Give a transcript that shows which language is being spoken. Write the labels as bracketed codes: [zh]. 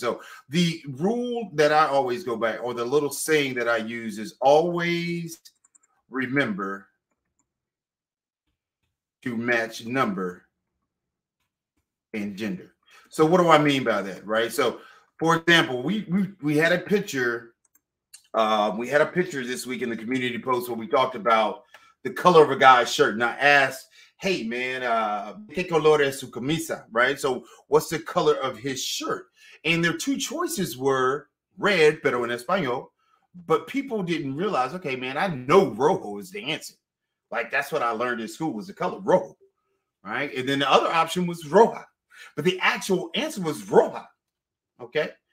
[en] So the rule that I always go by, or the little saying that I use, is always remember to match number and gender. So what do I mean by that, right? So for example, we had a picture We had a picture this week in the community post where we talked about the color of a guy's shirt. And I asked, hey, man, [es] ¿qué color es su camisa? [en] Right? So what's the color of his shirt? And their two choices were red, [es] pero en español. [en] But people didn't realize, okay, man, I know rojo is the answer. Like, that's what I learned in school was the color rojo, right? And then the other option was roja. But the actual answer was roja, okay?